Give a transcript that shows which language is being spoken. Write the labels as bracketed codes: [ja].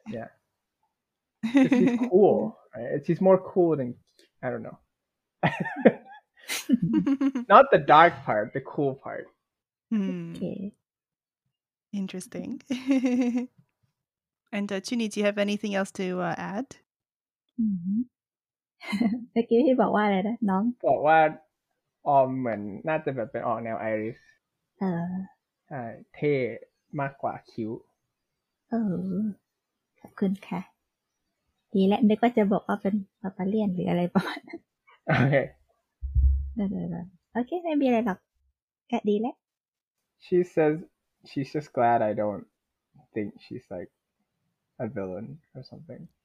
[en] yeah. Because she's cool, right? She's more cool than I don't know. Not the dark part, the cool part. Okay. Interesting. And Chini, do you have anything else to add? [th] เมื่อกี้ที่บอกว่าอะไรนะน้อง บอกว่าออมเหมือนน่าจะแบบเป็นออกแนวไอริสใช่เท่มากกว่าคิ้ว เออขอบคุณค่ะดีและนึกว่าจะบอกว่าเป็นปาปาเลียนหรืออะไรประมาณนั้น โอเค ได้โอเคไม่มีอะไรหรอกก็ดีแล้ว [en] She says she's just glad I don't think she's like a villain or something.